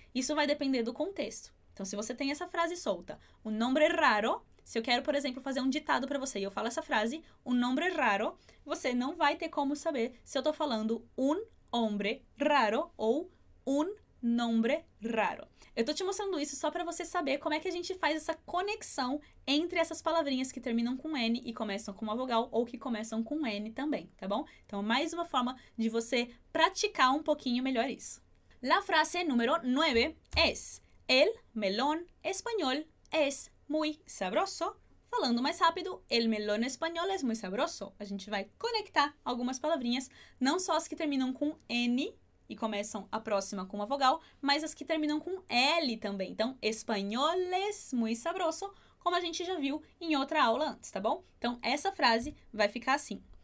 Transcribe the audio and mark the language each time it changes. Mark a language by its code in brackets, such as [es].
[pt] Isso vai depender do contexto. Então, se você tem essa frase solta, [es] un nombre raro, [pt] se eu quero, por exemplo, fazer um ditado para você e eu falo essa frase, un nombre raro, você não vai ter como saber se eu estou falando [es] un hombre raro [pt] ou un nombre raro. Eu estou te mostrando isso só para você saber como é que a gente faz essa conexão entre essas palavrinhas que terminam com N e começam com uma vogal ou que começam com N também, tá bom? Então, mais uma forma de você praticar um pouquinho melhor isso. [es] La frase número 9 es: El melón español es muy sabroso. [pt] Falando mais rápido, [es] el melón español es muy sabroso. [pt] A gente vai conectar algumas palavrinhas, não só as que terminam com N e começam a próxima com uma vogal, mas as que terminam com L também. Então, [es] españoles muy sabroso, [pt] como a gente já viu em outra aula antes, tá bom? Então, essa frase vai ficar assim.